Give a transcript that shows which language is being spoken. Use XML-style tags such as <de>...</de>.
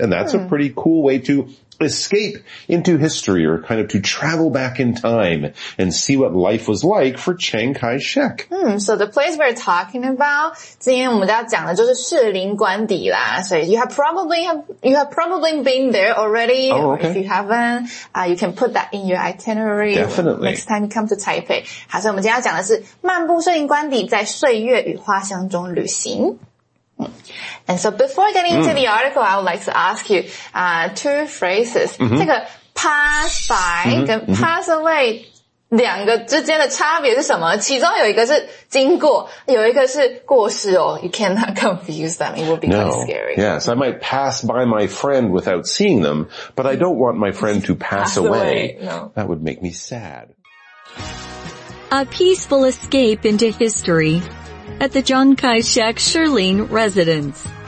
<en>And that's a pretty cool way to escape into history, or kind of to travel back in time and see what life was like for Chiang Kai-shek. So the place we're talking about,</en> <zh>今天我们要讲的就是士林官邸啦。</zh> <en>So you have probably been there already. Oh, okay. If you haven't, you can put that in your itinerary. Definitely. Next time you come to Taipei.</en> <zh>好，所以我们今天要讲的是漫步士林官邸，在岁月与花香中旅行。</zh> <en>And so before getting into the article, I would like to ask you two phrases.</en> <zh>Mm-hmm. 这个 pass by 跟 pass away 两个之间的差别是什么？其中有一个是经过，有一个是过世哦。</zh> <en>You cannot confuse them. It will be quite scary. Yes, I might pass by my friend without seeing them, but I don't want my friend to pass away. No. That would make me sad. A peaceful escape into history. At the Chiang Kai-shek Shaolin Residence.</en>